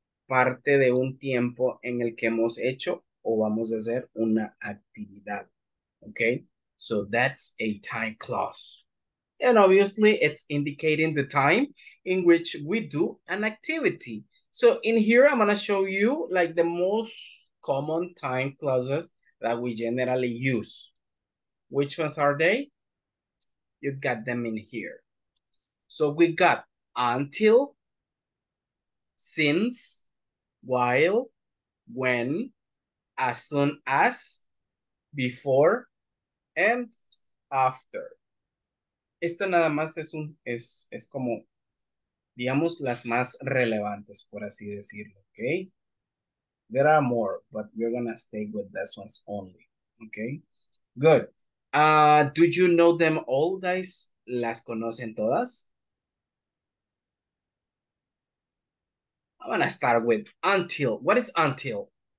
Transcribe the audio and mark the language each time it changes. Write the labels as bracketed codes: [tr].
[es] Parte de un tiempo en el que hemos hecho o vamos a hacer una actividad, ¿ok? [en] So that's a time clause. And obviously it's indicating the time in which we do an activity. So in here I'm going to show you like the most common time clauses that we generally use. Which ones are they? You've got them in here. So we got until, since, while, when, as soon as, before, and after. [es] Esta nada más es como, digamos, las más relevantes, por así decirlo, okay? [en] There are more, but we're gonna stay with these ones only, okay? Good. Do you know them all, guys? [es] ¿Las conocen todas? [en] I'm gonna start with until. What is until?